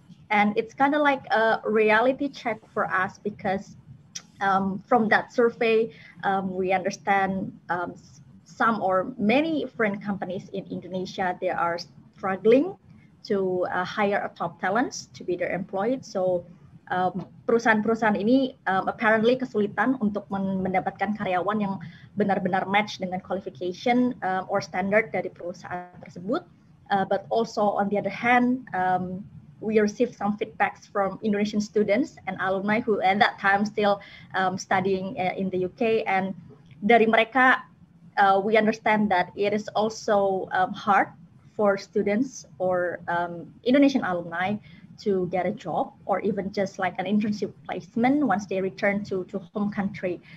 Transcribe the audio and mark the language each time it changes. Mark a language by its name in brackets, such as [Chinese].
[English] And it's kind of like a reality check for us, because from that survey, we understand some or many foreign companies in Indonesia, they are struggling to hire a top talents to be their employed. [Indonesian] So perusahaan-perusahaan ini apparently kesulitan untuk mendapatkan karyawan yang benar-benar match dengan [English] qualification or standard [Indonesian] dari perusahaan tersebut. [English] But also on the other hand, we received some feedbacks from Indonesian students and alumni who at that time still studying in the UK. And [Indonesian] dari mereka, [English] we understand that it is also hard for students or Indonesian alumni to get a job or even just like an internship placement once they return to home country.